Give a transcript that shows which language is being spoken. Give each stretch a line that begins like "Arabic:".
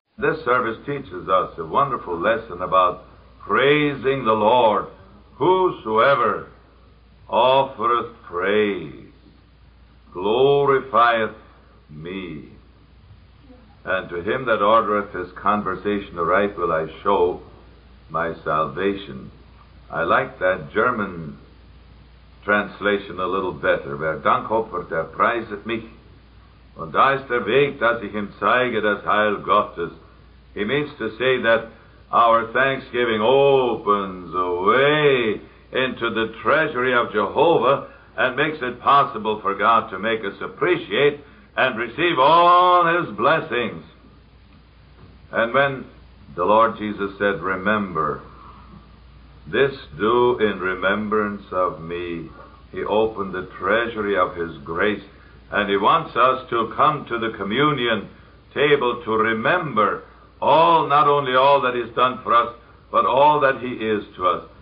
English: This service teaches us a wonderful lesson about praising the Lord, whosoever offereth praise, glorifieth me. And to him that ordereth his conversation aright will I show my salvation. I like that German translation a little better.
German: Wer Dank opfert, der preiset mich. Und da ist der Weg, dass ich ihm zeige das Heil Gottes.
English: He means to say that our thanksgiving opens a way into the treasury of Jehovah and makes it possible for God to make us appreciate and receive all his blessings. And when the Lord Jesus said, remember, this do in remembrance of me, he opened the treasury of his grace, and he wants us to come to the communion table to remember all, not only all that he's done for us, but all that he is to us.